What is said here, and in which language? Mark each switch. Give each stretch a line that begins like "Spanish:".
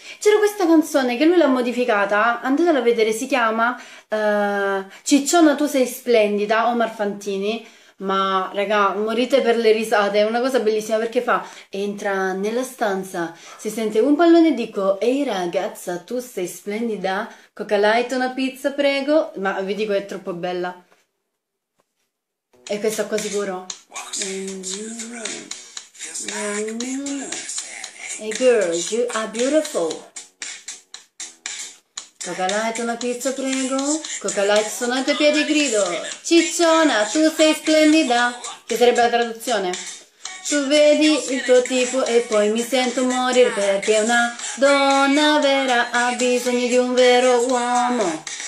Italian: C'era questa canzone che lui l'ha modificata, andatela a vedere, si chiama Cicciona tu sei splendida, Omar Fantini. Ma raga, morite per le risate, è una cosa bellissima perché fa, entra nella stanza, si sente un pallone e dico, ehi ragazza, tu sei splendida, Coca Light, una pizza, prego. Ma vi dico, è troppo bella. E questa qua sicuro.
English: Hey girl, you are beautiful.
Italian: Coca Light, una pizza, prego. Coca Light, suonate piedi, grido. Cicciona, tu sei splendida. Che sarebbe la traduzione? Tu vedi il tuo tipo e poi mi sento morire perché una donna vera ha bisogno di un vero uomo.